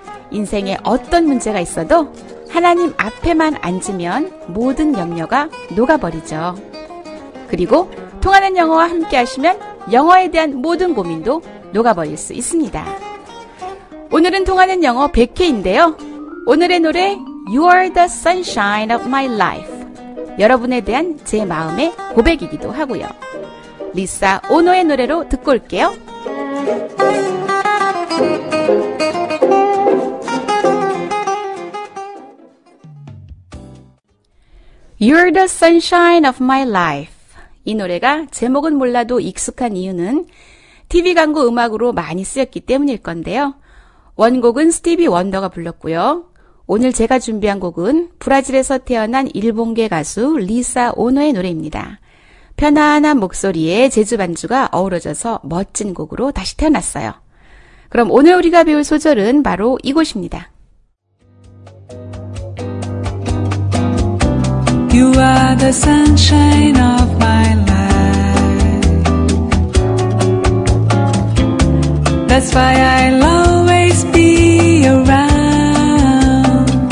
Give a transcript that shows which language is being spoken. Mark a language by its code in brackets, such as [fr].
[ko] 인생에 어떤 문제가 있어도 하나님 앞에만 앉으면 모든 염려가 녹아버리죠. 그리고 통하는 영어와 함께 하시면 영어에 대한 모든 고민도 녹아버릴 수 있습니다. 오늘은 통하는 영어 100회인데요. 오늘의 노래 [en] You are the sunshine of my life. [ko] 여러분에 대한 제 마음의 고백이기도 하고요. 리사 오노의 노래로 듣고 올게요. [en] You're the sunshine of my life. [ko] 이 노래가 제목은 몰라도 익숙한 이유는 TV 광고 음악으로 많이 쓰였기 때문일 건데요. 원곡은 스티비 원더가 불렀고요. 오늘 제가 준비한 곡은 브라질에서 태어난 일본계 가수 리사 오노의 노래입니다. 편안한 목소리에 재즈 반주가 어우러져서 멋진 곡으로 다시 태어났어요. 그럼 오늘 우리가 배울 소절은 바로 이곳입니다. [en] You are the sunshine of my life. That's why I'll always be around.